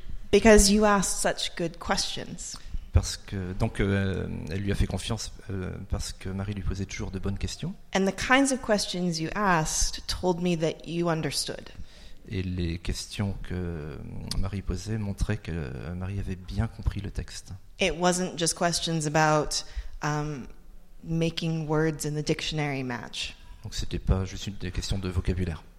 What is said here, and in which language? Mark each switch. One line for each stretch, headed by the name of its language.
English: Because you asked such good questions.
French: Parce que elle lui a fait confiance parce que Marie lui posait toujours de bonnes questions.
English: And the kinds of questions you asked told me that you understood.
French: Et les questions que Marie posait montraient que Marie avait bien compris le texte.
English: It wasn't just questions about making words in the dictionary match.
French: Donc c'était pas juste des questions de vocabulaire.